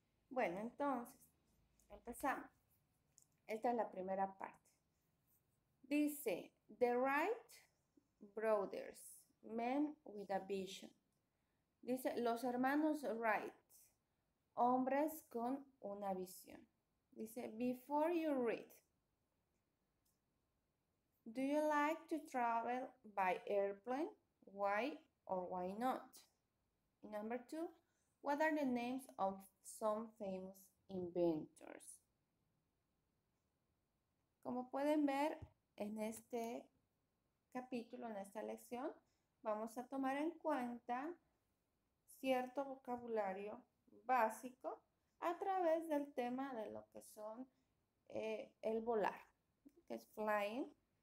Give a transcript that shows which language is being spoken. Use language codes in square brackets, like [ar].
[es] Bueno, entonces empezamos. Esta es la primera parte. Dice, The Wright Brothers. [en] Men with a vision. [es] Dice, los hermanos Wright, hombres con una visión. [en] Dice, before you read, do you like to travel by airplane? Why or why not? Number two, what are the names of some famous inventors? [es] Como pueden ver en este capítulo, en esta lección, vamos a tomar en cuenta cierto vocabulario básico a través del tema de lo que son el volar, que es flying.